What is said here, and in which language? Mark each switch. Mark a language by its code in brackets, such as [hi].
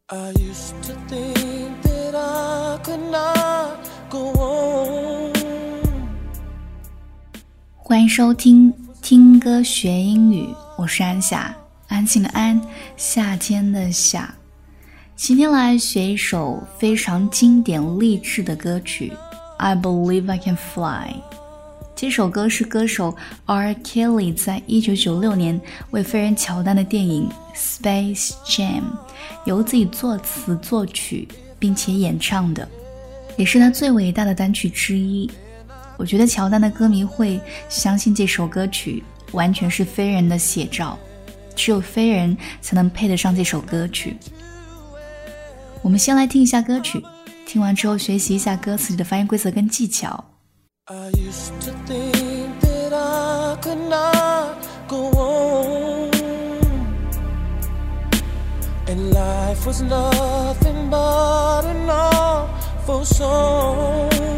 [en] I used to think that I could not go on. [zh] 欢迎收听听歌学英语，我是安夏，安静的安，夏天的夏。今天来学一首非常经典励志的歌曲 I Believe I Can Fly。这首歌是歌手 R. Kelly 在1996年为飞人乔丹的电影 Space Jam 由自己作词作曲并且演唱的，也是他最伟大的单曲之一。我觉得乔丹的歌迷会相信这首歌曲完全是飞人的写照，只有飞人才能配得上这首歌曲。我们先来听一下歌曲，听完之后学习一下歌词里的发音规则跟技巧。 [en] I used to think that I could not go on, and life was nothing but an awful song.